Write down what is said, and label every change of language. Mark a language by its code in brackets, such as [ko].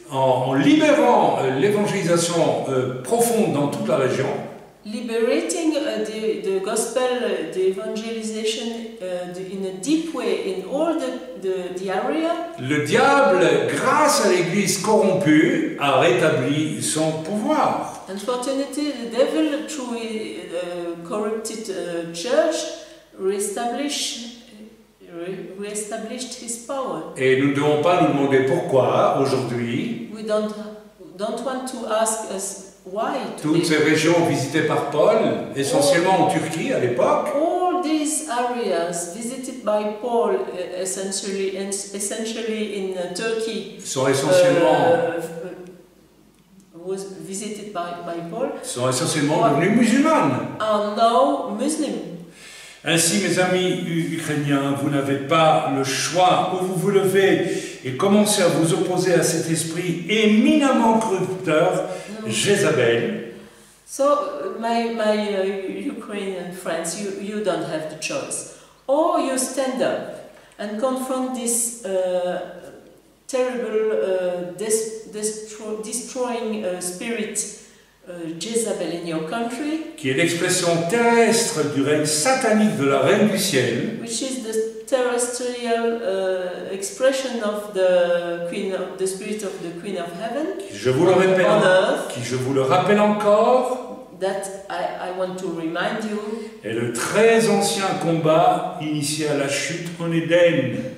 [fr] En libérant l'évangélisation profonde dans toute la région. [en] Liberating the gospel, the evangelization in a deep way in all the area. [fr] Le diable, grâce à l'Église corrompue, a rétabli son pouvoir. [en] Unfortunately, the devil through a corrupted church reestablished his power. [fr] Et nous ne devons pas nous demander pourquoi aujourd'hui. [en] We don't want to ask us. Why? [fr] Toutes ces régions visitées par Paul, essentiellement en Turquie à l'époque. [en] All these areas visited by Paul, essentially in Turkey. [fr] Sont essentiellement. [en] Was visited by Paul. [fr] Sont essentiellement devenues musulmanes. [en] Are now Muslim. [fr] Ainsi, mes amis ukrainiens, vous n'avez pas le choix où vous vous levez et commencez à vous opposer à cet esprit éminemment corrupteur. Jezabel. [en] So my Ukrainian friends, you don't have the choice. Or you stand up and confront this terrible destroying spirit Jezabel in your country. [fr] Qui est l'expression terrestre du règne satanique de la reine du ciel. [en] Which is the terrestrial expression of the queen of the spirit of the queen of heaven. [fr] Je vous le répète, qui je vous le rappelle encore, [en] that I want to remind you, [fr] est le très ancien combat initié à la chute en Éden.